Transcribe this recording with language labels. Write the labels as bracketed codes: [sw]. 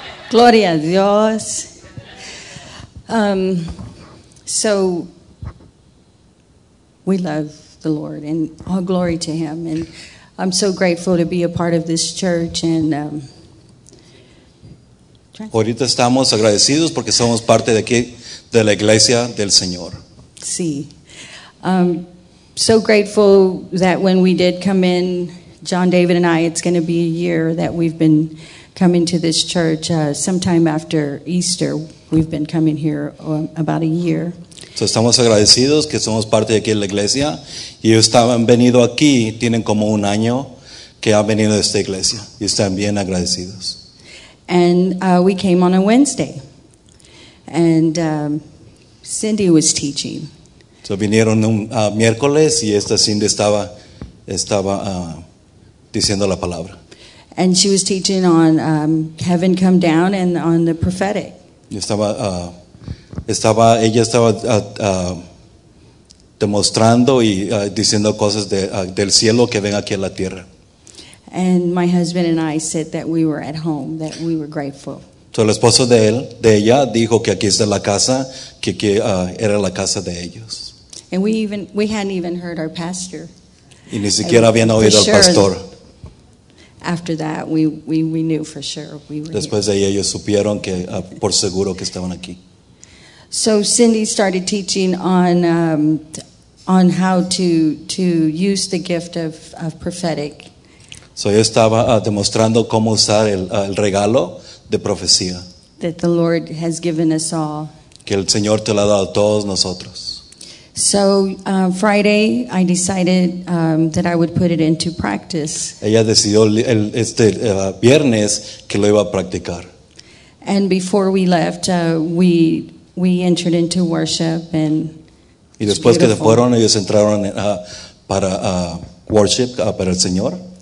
[es] Gloria a Dios. [en] So, we love the Lord, and all glory to him. And I'm so grateful to be a part of this church. And [es] ahorita estamos agradecidos porque somos parte de aquí de la iglesia del Señor. Sí. [en] So grateful that when we did come in, John David and I, it's going to be a year that we've been coming to this church. Sometime after Easter, we've been coming here about a year. [es] So estamos agradecidos que somos parte de aquí de la iglesia. Y ellos han venido aquí, tienen como un año que han venido de esta iglesia. Y están bien agradecidos. [en] And we came on a Wednesday. And Cindy was teaching. [es] So vinieron un miércoles y esta Cindy estaba diciendo la palabra. [en] And she was teaching on heaven come down and on the prophetic. [es] Y estaba... Ella estaba demostrando y diciendo cosas del cielo que ven aquí a la tierra. [en] And my husband and I said that we were at home, that we were grateful. [es] So el esposo de ella dijo que aquí es de la casa, que era la casa de ellos. [en] And we hadn't even heard our pastor. [es] Y ni siquiera habían oído al pastor. [en] After that, we knew for sure we were. [es] Después [en] here. [es] De ahí ellos supieron que por seguro que estaban aquí. [en] So Cindy started teaching on how to use the gift of prophetic. [es] So yo estaba demostrando cómo usar el regalo de profecía. [en] That the Lord has given us all. [es] Que el Señor te lo ha dado a todos nosotros. [en] So Friday I decided that I would put it into practice. [es] Ella decidió viernes que lo iba a practicar. [en] And before we left, we entered into worship and [es] y después que se fueron ellos entraron para worship para el Señor.